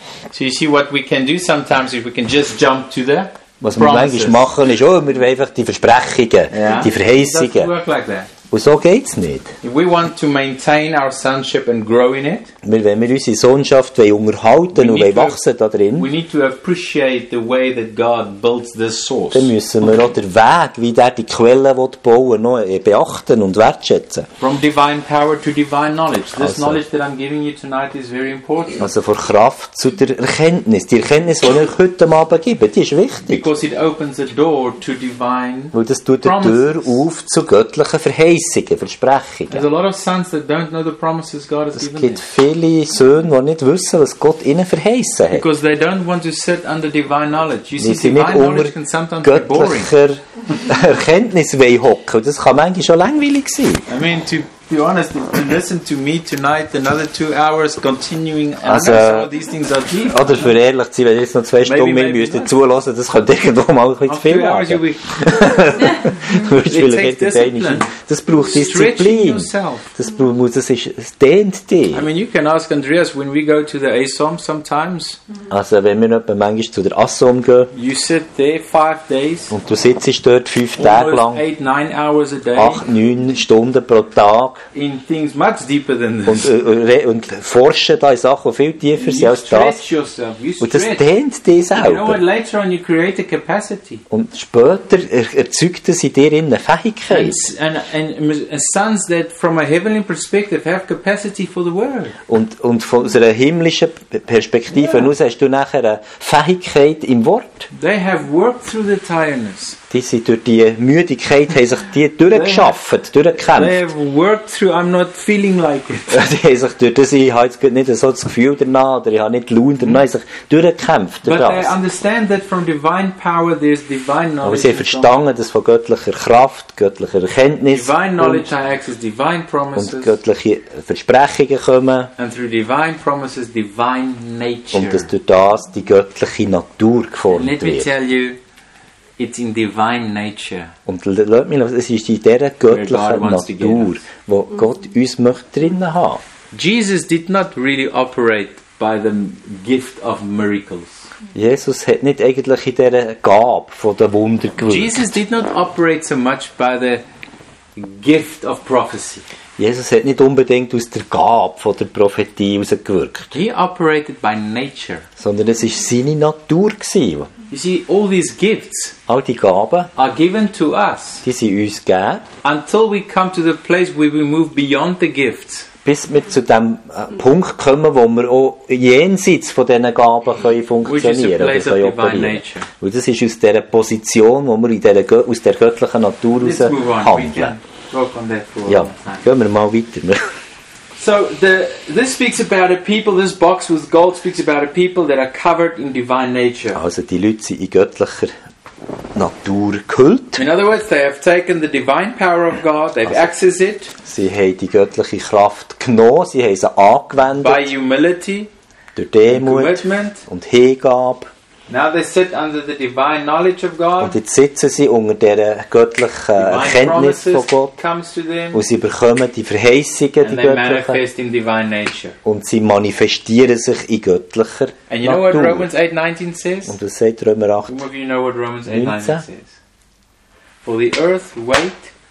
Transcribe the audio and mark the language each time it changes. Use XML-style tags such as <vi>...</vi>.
<en>So you see what we can do sometimes if we can just jump to the was promises.</en> <de>Was wir manchmal machen ist, oh, wir wollen einfach die Versprechungen,</de> <en>yeah.</en> <de>Die Verheißungen.</de> <en>It doesn't work like that.</en> <de>Und so geht's nicht.</de> <en>If we want to maintain our sonship and grow in it,</en> <de>wenn wir unsere Sohnschaft unterhalten und wachsen da drin,</de> <en>we need to appreciate the way that God builds this source.</en> <de>Dann müssen wir auch den Weg, wie der die Quelle will bauen, noch beachten und wertschätzen.</de> <en>From divine power to divine knowledge. This knowledge that I'm giving you tonight is very important.</en> <de>Also von Kraft zu der Erkenntnis. Die Erkenntnis, die ich heute Abend gebe, die ist wichtig.</de> <en>Because it opens a door to divine</en> <de>Weil das tut die Tür auf zu göttlichen Verheißungen. Versprechungen. Es gibt viele Söhne, die nicht wissen, was Gott ihnen verheißen hat.</de> <en>Because they don't want to sit under divine knowledge. You see,</en> <de>sie nicht unter göttlicher Erkenntnis hocken. Das kann manchmal schon langweilig sein.</de> <en>I mean, to be honest, to listen to me tonight, another 2 hours continuing.</en> <de>Also,</de> <en>these things are deep.</en> <de>Oder für ehrlich zu sein, wenn jetzt noch 2 Stunden müsste zulassen, das könnte irgendwo mal ein bisschen viel machen. Das braucht Disziplin. Das muss, das ist dehnt dich.</de> <en>I mean, you can ask Andreas when we go to the ASOM sometimes.</en> <de>Also wenn wir noch manchmal zu der ASOM gehen.</de> <en>You sit there 5 days.</en> <de>Und du sitzt dort 5 Tage lang. 8-9 Stunden pro Tag.</de> <en>In things much deeper than this.</en> <de>Und forschen da in Sachen, die viel tiefer sind als das. Und das dehnt dich selber.</de> <en>You know what, later on you create a capacity.</en> <de>Und später erzeugt es in dir eine Fähigkeit.</de> <en>And sons that from a heavenly perspective have capacity for the world.</en> <de>Und von unserer himmlischen Perspektive aus hast du nachher eine Fähigkeit im Wort.</de> <en>They have worked through the tiredness.</en> <de>Die sind durch die Müdigkeit, haben sich die durchgeschafft, durchgekämpft.</de> <en>They have worked through, I'm not feeling like it.</en> <de>Die haben sich durch das, ich habe jetzt nicht so das Gefühl danach, oder ich habe nicht die Laune danach, haben sich durchgekämpft.</de> <en>But they understand that from divine power there's divine knowledge.</en> <de>Aber sie haben verstanden, dass von göttlicher Kraft, göttlicher Erkenntnis,</de> <en>divine knowledge I access divine promises,</en> <de>und göttliche Versprechungen kommen,</de> <en>and through divine promises, divine nature.</en> <de>Und dass durch das die göttliche Natur geformt wird.</de> <en>Let me tell you, it's in divine nature.</en> <de>Und lass mich, es ist in dieser göttlichen Natur, wo Gott uns möchte drinnen haben.</de> <en>Jesus did not really operate by the gift of miracles.</en> <de>Jesus hat nicht eigentlich in dieser Gabe von der Wunder gewirkt.</de> <en>Jesus did not operate so much by the gift of prophecy.</en> <de>Jesus hat nicht unbedingt aus der Gabe von der Prophetie rausgewirkt.</de> <en>He operated by nature.</en> <de>Sondern es ist seine Natur gewesen.</de> <en>You see, all these gifts,</en> <de>all die Gaben,</de> <en>are given to us.</en> <de>Die sind uns gegeben.</de> <en>Until we come to the place where we move beyond the gifts.</en> <de>Bis wir zu dem Punkt kommen, wo wir auch jenseits von diesen Gaben können funktionieren können.</de> <en>Which is a place of divine nature.</en> <de>Weil das ist aus dieser Position, wo wir in dieser, aus der göttlichen Natur heraus handeln.</de> <en>Let's move on. We can talk on that for</en> <de>ja, gehen wir mal weiter.</de> <en>So this speaks about a people, this box with gold speaks about a people that are covered in divine nature.</en> <de>Also die Leute sind in göttlicher Natur gehüllt.</de> <en>In other words, they have taken the divine power of God, they've also accessed it.</en> <de>Sie haben die göttliche Kraft genommen, sie haben sie angewendet.</de> <en>By humility,</en> <de>durch Demut</de> <en>and commitment,</en> <de>und Hingabe.</de> <en>Now they sit under the divine knowledge of God.</en> <de>Und jetzt sitzen sie unter der göttlichen Erkenntnis von Gott.</de> <en>Comes to them.</en> <de>Und sie bekommen die Verheißungen, die göttlichen.</de> <en>And they manifest in divine nature.</en> <de>Und sie manifestieren sich in göttlicher Natur.</de> <en>And you know what Romans 8:19 says?</en> <de>Und was sagt Römer 8?</de> <en>Some of you know what Romans 8:19 says. For the earth wait</en>